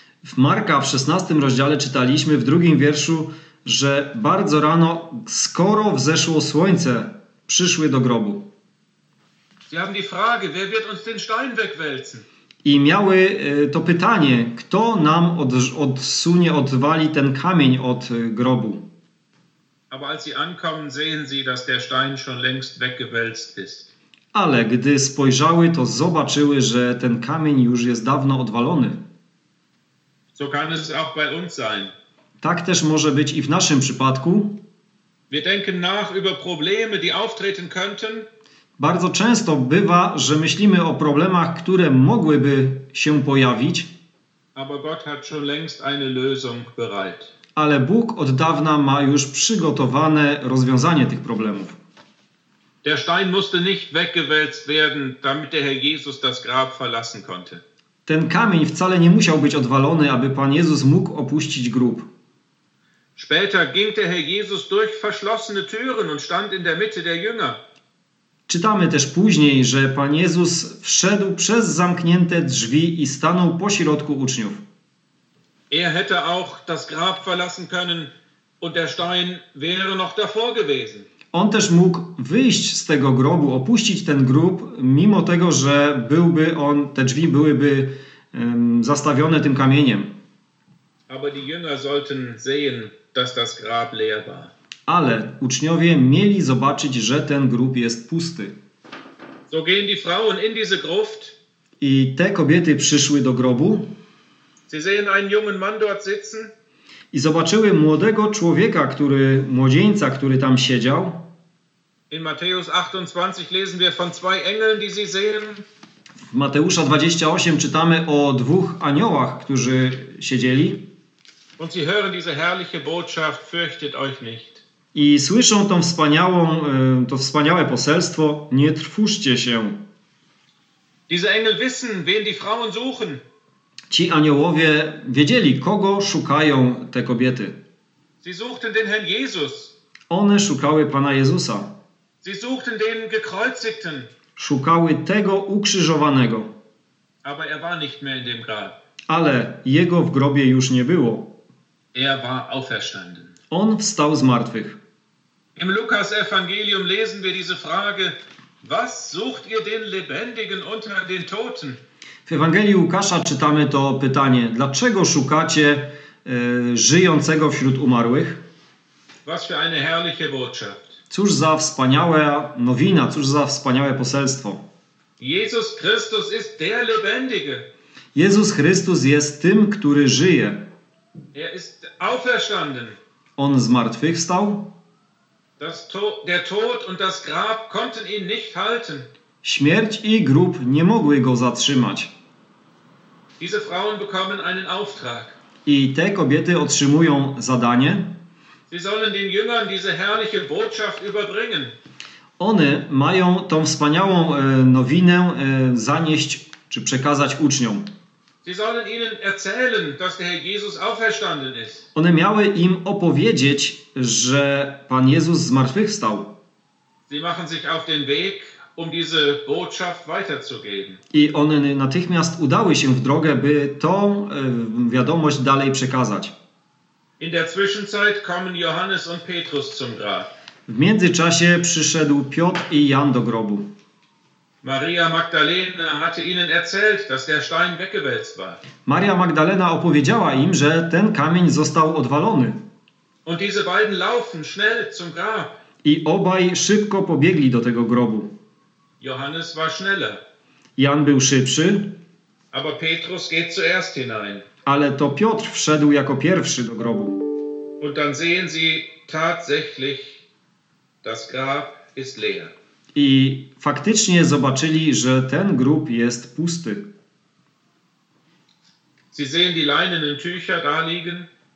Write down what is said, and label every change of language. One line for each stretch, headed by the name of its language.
Polish: W Marka w 16 rozdziale czytaliśmy w drugim wierszu, że bardzo rano, skoro wzeszło słońce, przyszły do grobu.
German: Sie haben die Frage, wer wird uns den Stein wegwälzen?
Polish: I miały to pytanie, kto nam odsunie, odwali ten kamień od grobu.
German: Aber als sie ankommen, sehen sie, dass der Stein schon längst weggewälzt ist.
Polish: Ale gdy spojrzały, to zobaczyły, że ten kamień już jest dawno odwalony.
German: So kann es auch bei uns sein.
Polish: Tak też może być i w naszym przypadku.
German: Wir denken nach über Probleme, die auftreten könnten.
Polish: Bardzo często bywa, że myślimy o problemach, które mogłyby się pojawić.
German: Aber Gott hat schon längst eine Lösung bereit.
Polish: Ale Bóg od dawna ma już przygotowane rozwiązanie tych problemów.
German: Der Stein musste nicht weggewälzt werden, damit der Herr Jesus das Grab verlassen konnte.
Polish: Ten kamień wcale nie musiał być odwalony, aby Pan Jezus mógł opuścić grób.
German: Später ging der Herr Jesus durch verschlossene Türen und stand in der Mitte der Jünger.
Polish: Czytamy też później, że Pan Jezus wszedł przez zamknięte drzwi i stanął pośrodku uczniów.
German: Er hätte auch das Grab verlassen können und der Stein wäre noch davor gewesen.
Polish: On też mógł wyjść z tego grobu, opuścić ten grób, mimo tego, że byłby on, te drzwi byłyby zastawione tym kamieniem.
German: Aber die Jünger sollten sehen, dass das Grab leer war.
Polish: Ale uczniowie mieli zobaczyć, że ten grób jest pusty.
German: So gehen die Frauen in diese Gruft.
Polish: I te kobiety przyszły do grobu.
German: Sie sehen einen jungen Mann dort sitzen.
Polish: I zobaczyły młodego człowieka, który młodzieńca, który tam siedział.
German: In Mateusz 28 lesen wir von zwei Engeln, die sie sehen.
Polish: W Mateusza 28 czytamy o dwóch aniołach, którzy siedzieli.
German: Und sie hören diese herrliche Botschaft, fürchtet euch nicht.
Polish: I słyszą tą wspaniałą, to wspaniałe poselstwo, nie trwóżcie się.
German: Diese Engel wissen, wen die Frauen suchen.
Polish: Ci aniołowie wiedzieli, kogo szukają te kobiety.
German: Sie suchten den Herrn Jesus.
Polish: One szukały Pana Jezusa.
German: Sie suchten den gekreuzigten.
Polish: Szukały tego ukrzyżowanego.
German: Aber er war nicht mehr in dem Grab.
Polish: Ale jego w grobie już nie było.
German: Er war auferstanden.
Polish: On wstał z martwych.
German: Im Lukas Evangelium lesen wir diese Frage: Was sucht ihr den Lebendigen unter den Toten?
Polish: W Ewangelii Łukasza czytamy to pytanie. Dlaczego szukacie żyjącego wśród umarłych?
German: Was für eine herrliche Botschaft.
Polish: Cóż za wspaniała nowina, cóż za wspaniałe poselstwo.
German: Jesus Christus ist der Lebendige.
Polish: Jezus Chrystus jest tym, który żyje.
German: Er ist auferstanden.
Polish: On zmartwychwstał.
German: Der Tod und das Grab konnten ihn nicht halten.
Polish: Śmierć i grób nie mogły go zatrzymać.
German: Diese Frauen bekommen einen Auftrag.
Polish: I te kobiety otrzymują zadanie.
German: Sie sollen den Jüngern diese herrliche Botschaft überbringen.
Polish: One mają tą wspaniałą nowinę zanieść czy przekazać uczniom.
German: Sie sollen ihnen erzählen, dass der Herr Jesus auferstanden ist.
Polish: One miały im opowiedzieć, że Pan Jezus zmartwychwstał.
German: Sie machen sich auf den Weg, um diese Botschaft weiterzugeben.
Polish: I one natychmiast udały się w drogę, by tą wiadomość dalej przekazać.
German: In der Zwischenzeit kommen Johannes und Petrus zum Grab.
Polish: W międzyczasie przyszedł Piotr i Jan do grobu.
German: Maria Magdalena hatte ihnen erzählt, dass der Stein weggewälzt war.
Polish: Maria Magdalena opowiedziała im, że ten kamień został odwalony.
German: Und diese beiden laufen schnell zum Grab.
Polish: I obaj szybko pobiegli do tego grobu.
German: Johannes war schneller.
Polish: Jan był szybszy.
German: Aber Petrus geht zuerst hinein.
Polish: Ale to Piotr wszedł jako pierwszy do grobu.
German: Und dann sehen sie tatsächlich, das Grab ist leer.
Polish: I faktycznie zobaczyli, że ten grób jest pusty.
German: Sie sehen die leinenen Tücher da liegen.